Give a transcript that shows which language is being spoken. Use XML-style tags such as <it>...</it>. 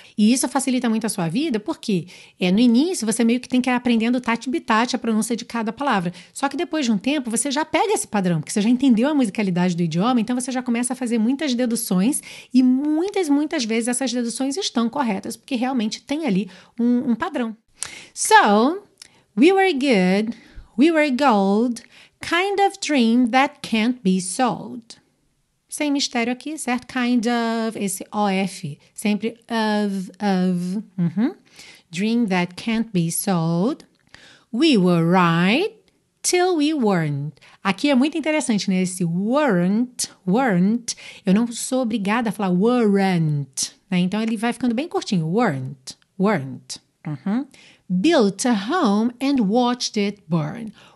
<pt>E isso facilita muito a sua vida, porque no início você meio que tem que ir aprendendo tati-bitati a pronúncia de cada palavra. Só que depois de um tempo você já pega esse padrão, porque você já entendeu a musicalidade do idioma, então você já começa a fazer muitas deduções e muitas, muitas vezes essas deduções estão corretas, porque realmente tem ali um padrão.</pt> <en>So, we were good, we were gold, kind of dream that can't be sold.</en> <pt>Sem mistério aqui, certo?</pt> <en>Kind of,</en> <pt>esse OF, sempre of, uh-huh.</pt> <en>Dream that can't be sold. We were right till we weren't.</en> <pt>Aqui é muito interessante, né? Esse weren't, eu não sou obrigada a falar weren't, né? Então ele vai ficando bem curtinho, weren't. Uh-huh.</pt> <en>Built a home and watched it burn.</en>